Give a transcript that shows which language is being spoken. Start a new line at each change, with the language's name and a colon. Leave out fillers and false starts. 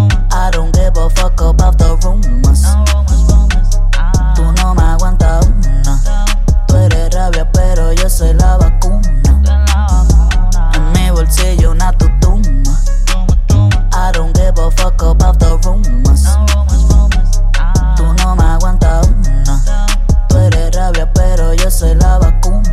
English: I don't give a fuck about the rumors.
Spanish: Tú no me aguantas una. Tú eres rabia, pero yo soy la vacuna. En mi bolsillo una tutuma.
English: I don't give a fuck about the rumors.
Spanish: Tú no me aguantas una. Tú eres rabia, pero yo soy la vacuna.